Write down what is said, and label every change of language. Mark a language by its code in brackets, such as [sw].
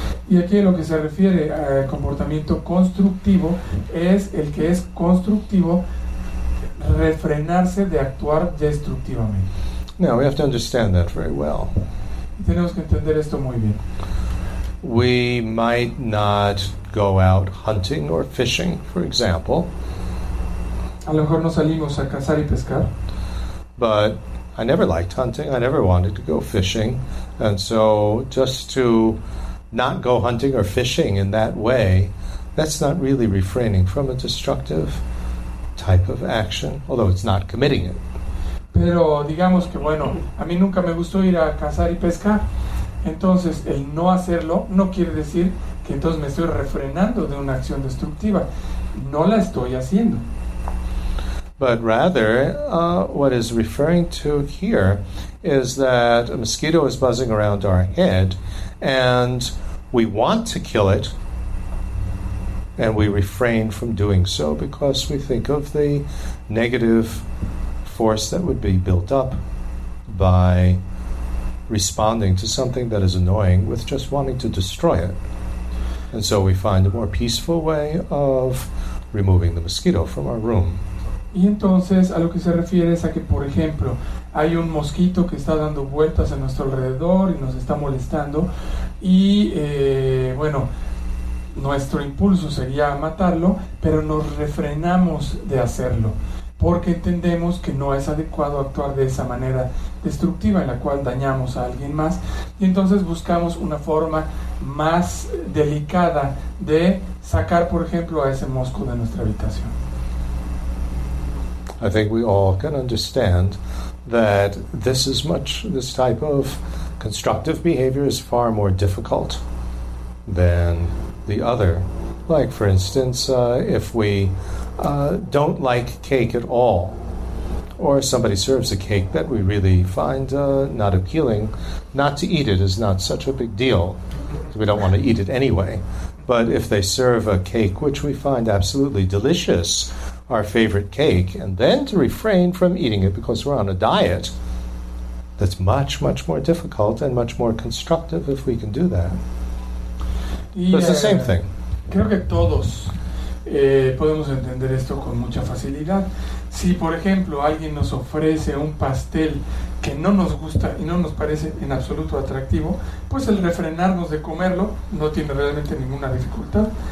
[es] Y aquí lo que se refiere a comportamiento constructivo es el que es constructivo refrenarse de actuar destructivamente. [en] Now we have to understand that very well. [es] Tenemos que entender esto muy bien. [en] We might not go out hunting or fishing, for example. [es] A lo mejor no salimos a cazar y pescar. [en] But I never liked hunting. I never wanted to go fishing. And so just to not go hunting or fishing in that way, that's not really refraining from a destructive type of action, although it's not committing it. [es] Pero digamos que, bueno, a mí nunca me gustó ir a cazar y pescar. Entonces, el no hacerlo no quiere decir que entonces me estoy refrenando de una acción destructiva. No la estoy haciendo. [en] But rather, what is referring to here is that a mosquito is buzzing around our head and we want to kill it, and we refrain from doing so because we think of the negative force that would be built up by responding to something that is annoying with just wanting to destroy it. And so we find a more peaceful way of removing the mosquito from our room. [es] Y entonces a lo que se refiere es a que, por ejemplo, hay un mosquito que está dando vueltas a nuestro alrededor y nos está molestando, y bueno, nuestro impulso sería matarlo, pero nos refrenamos de hacerlo porque entendemos que no es adecuado actuar de esa manera destructiva en la cual dañamos a alguien más, y entonces buscamos una forma más delicada de sacar, por ejemplo, a ese mosco de nuestra habitación. [en] I think we all can understand that this type of constructive behavior is far more difficult than the other. Like, for instance, if we don't like cake at all, or somebody serves a cake that we really find not appealing, not to eat it is not such a big deal. We don't want to eat it anyway. But if they serve a cake which we find absolutely delicious, our favorite cake, and then to refrain from eating it because we're on a diet, that's much, much more difficult and much more constructive if we can do that. [es] Y, [en] but it's the same thing. [es] Creo que todos podemos entender esto con mucha facilidad. Si, por ejemplo, alguien nos ofrece un pastel que no nos gusta y no nos parece en absoluto atractivo, pues el refrenarnos de comerlo no tiene realmente ninguna dificultad.